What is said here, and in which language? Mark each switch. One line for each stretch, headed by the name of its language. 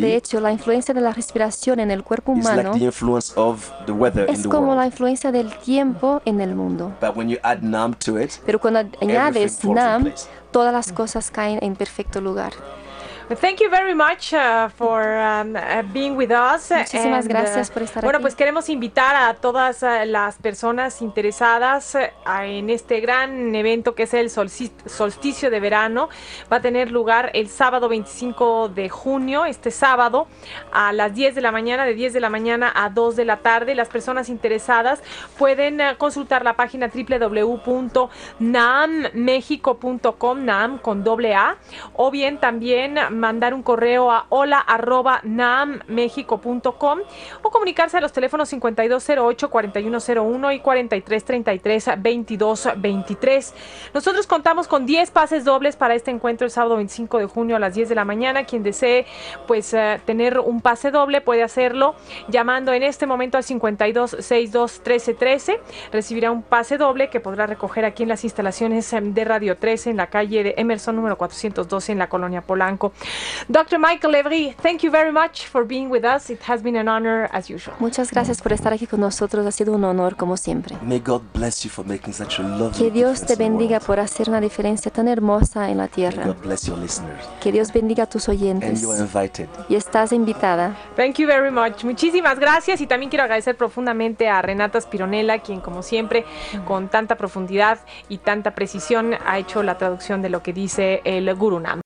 Spanish: de hecho, la influencia de la respiración en el cuerpo humano
English: is like the influence of the weather
Spanish: es
English: in the
Spanish: como
English: world.
Spanish: La influencia del tiempo en el mundo.
English: But when you add nam to it,
Spanish: pero cuando añades nam, todas las cosas caen en perfecto lugar.
English: Well, thank you very much for being with us.
Spanish: Muchísimas
English: and,
Spanish: gracias por estar bueno, Bueno, pues queremos invitar a todas las personas interesadas en este gran evento que es el solsticio de verano. Va a tener lugar el sábado 25 de junio, este sábado, a las 10 de la mañana, de 10 de la mañana a 2 de la tarde. Las personas interesadas pueden consultar la página www.nammexico.com, nam con doble A, o bien también mandar un correo a hola@nammexico.com o comunicarse a los teléfonos 5208-4101 y 4333-2223. Nosotros contamos con 10 pases dobles para este encuentro el sábado 25 de junio a las 10 de la mañana. Quien desee pues tener un pase doble puede hacerlo llamando en este momento al 5262-1313. Recibirá un pase doble que podrá recoger aquí en las instalaciones de Radio 13 en la calle de Emerson número 412 en la Colonia Polanco.
English: Dr. Michael Levry, thank you very much for being with us. It has been an honor as usual.
Spanish: Muchas gracias por estar aquí con nosotros. Ha sido un honor como siempre.
English: May God bless you for making such a lovely difference.
Spanish: Que Dios te bendiga por hacer una diferencia tan hermosa en la tierra.
English: May God bless your listeners.
Spanish: Que Dios bendiga a tus oyentes.
English: And you are invited.
Spanish: Y estás invitada.
English: Thank you very much.
Spanish: Muchísimas gracias y también quiero agradecer profundamente a Renata Spironella, quien como siempre con tanta profundidad y tanta precisión ha hecho la traducción de lo que dice el Guru Nam.